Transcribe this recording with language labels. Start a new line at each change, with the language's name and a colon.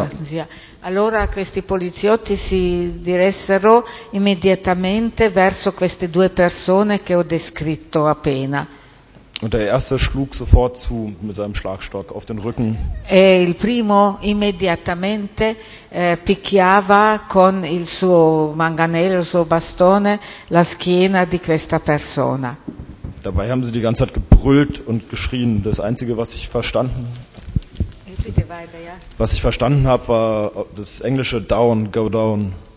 German: Sagten sie.
Italian: Allora questi poliziotti si diressero immediatamente verso queste due persone che ho descritto appena.
German: Und der erste schlug sofort zu mit seinem Schlagstock auf den Rücken.
Italian: E il primo immediatamente picchiava con il suo manganello, il suo bastone, la schiena di questa persona.
German: Dabei haben sie die ganze Zeit gebrüllt und geschrien. Das Einzige, was ich verstanden, habe, war das Englische
English: down, go down.